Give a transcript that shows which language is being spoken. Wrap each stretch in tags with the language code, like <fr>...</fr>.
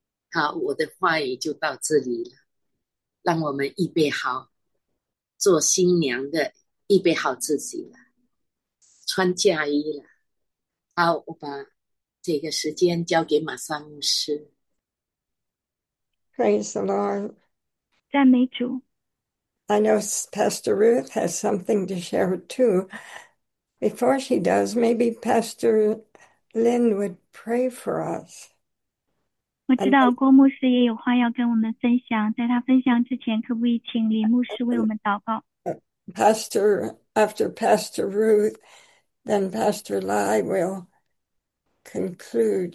<zh>好，我的话也就到这里了，让我们预备好，做新娘的预备好自己了。穿嫁衣了，好，我把这个时间交给玛莎牧师。</zh> <en>Praise the Lord.</en> <zh>赞美主。</zh> <en>I know Pastor Ruth has something to share too. Before she does, maybe Pastor Lynn would pray for us.</en> <zh>我知道郭牧师也有话要跟我们分享，在他分享之前，可不可以请李牧师为我们祷告？</zh> <en>Pastor, after Pastor Ruth, then Pastor Lai will conclude.</en>